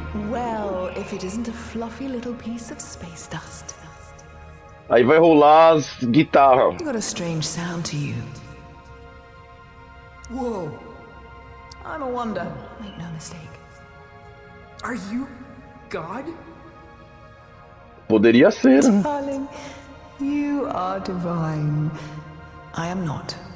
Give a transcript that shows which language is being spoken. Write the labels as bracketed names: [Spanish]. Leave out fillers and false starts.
[English] Well, if it isn't a fluffy little piece of space dust. [Portuguese] Aí vai rolar as guitarras. [English] You got a strange sound to you. Whoa. I'm a wonder. Make no mistake. Are you God? [Portuguese] Poderia ser. [English] Darling, you are divine. I am not.